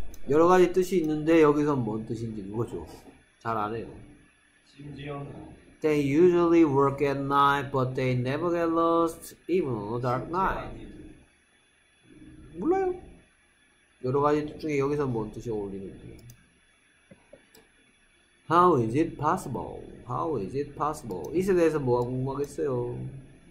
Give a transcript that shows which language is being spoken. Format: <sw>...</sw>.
<ko>여러 가지 뜻이 있는데 여기서 뭔 뜻인지 누구죠? 잘 안 해요. 심지어는</ko> <en>They usually work at night but they never get lost even on a dark night.</en> <ko>몰라요. 여러 가지 뜻 중에 여기서 뭔 뜻이 어울리는지.</ko> <en>How is it possible? How is it possible?</en> <ko>이에 대해서 뭐가 궁금하겠어요?</ko>